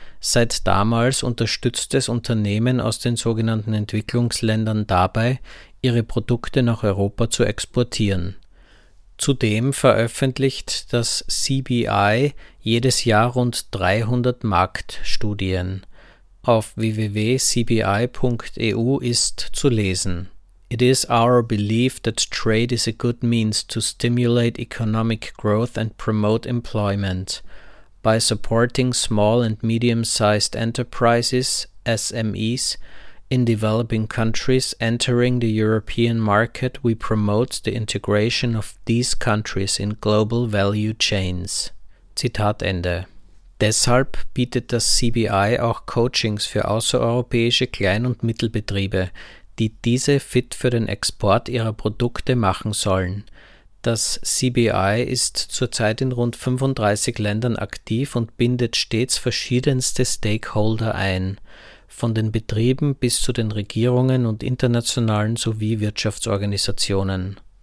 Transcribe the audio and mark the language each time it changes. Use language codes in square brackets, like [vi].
[de] Seit damals unterstützt es Unternehmen aus den sogenannten Entwicklungsländern dabei, ihre Produkte nach Europa zu exportieren. Zudem veröffentlicht das CBI jedes Jahr rund 300 Marktstudien. Auf www.cbi.eu ist zu lesen: [en] It is our belief that trade is a good means to stimulate economic growth and promote employment. By supporting small and medium-sized enterprises, SMEs, in developing countries entering the European market, we promote the integration of these countries in global value chains. [de] Zitat Ende. Deshalb bietet das CBI auch Coachings für außereuropäische Klein- und Mittelbetriebe, die diese fit für den Export ihrer Produkte machen sollen. Das CBI ist zurzeit in rund 35 Ländern aktiv und bindet stets verschiedenste Stakeholder ein, von den Betrieben bis zu den Regierungen und internationalen sowie Wirtschaftsorganisationen.